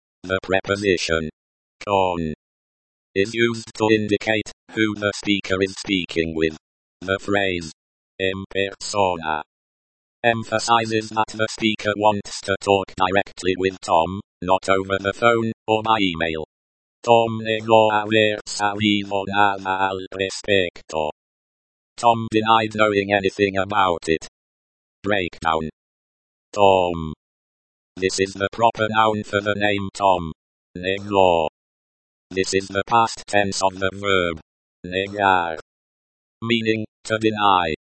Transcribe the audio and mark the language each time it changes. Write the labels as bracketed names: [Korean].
[English] The preposition con is used to indicate who the speaker is speaking with. The phrase en persona emphasizes that the speaker wants to talk directly with Tom, not over the phone or by email. [Spanish] Tom negó haber sabido nada al respecto. [English] Tom denied knowing anything about it. Breakdown. Tom. This is the proper noun for the name Tom. Negó. This is the past tense of the verb negar, meaning to deny.